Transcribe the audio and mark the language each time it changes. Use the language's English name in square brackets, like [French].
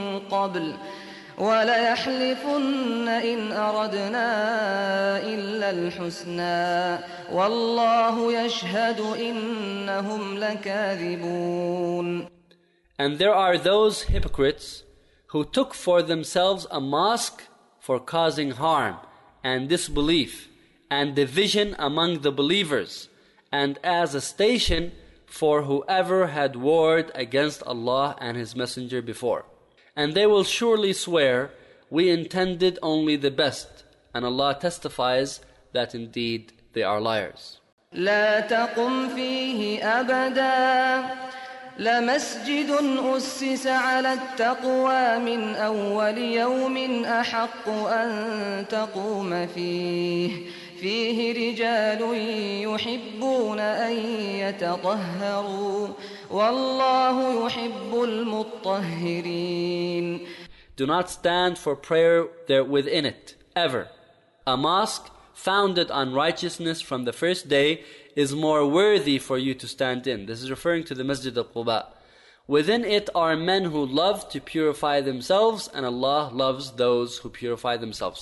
[Arabic] قبل وليحلفن إن أردنا إلا الحسنى والله يشهد إنهم لكاذبون. [English] And there are those hypocrites who took for themselves a mosque for causing harm and disbelief and division among the believers, and as a station for whoever had warred against Allah and His Messenger before. And they will surely swear, "We intended only the best," and Allah testifies that indeed they are liars. [Arabic] لا تقم فيه أبدا لمسجد أسس على التقوى من أول يوم أحق أن تقوم فيه فيه رجال يحبون أن يتطهروا والله يحب المطهرين. [English] Do not stand for prayer there within it, ever. A mosque founded on righteousness from the first day is more worthy for you to stand in. This is referring to the Masjid al-Quba. Within it are men who love to purify themselves, and Allah loves those who purify themselves.